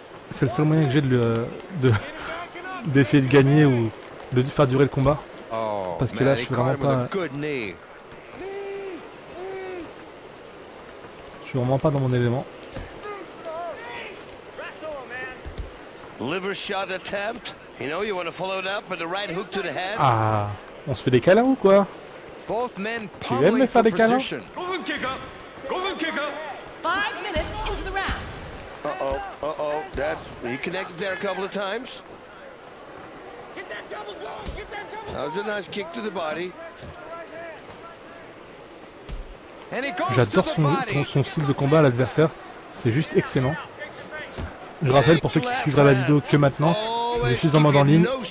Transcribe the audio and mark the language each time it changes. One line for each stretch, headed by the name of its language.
French: C'est le seul moyen que j'ai de le. De. D'essayer de gagner ou de faire durer le combat. Parce que là, je suis vraiment pas. Je suis vraiment pas dans mon élément.
English: Liver shot attempt. You know you want to follow it up with the right hook to the head.
French: Ah, on se fait des câlins ou quoi?
English: Both men
French: tu aimes me faire des câlins?
English: Go and kick up. Go and kick up. 5 minutes into the round. Uh-oh. That he connected there a couple of times. Get that double going. Get that double. That was a nice kick to the body.
French: J'adore son style de combat à l'adversaire. C'est juste excellent. Je rappelle pour ceux qui suivraient la vidéo que maintenant. Je suis en mode en ligne.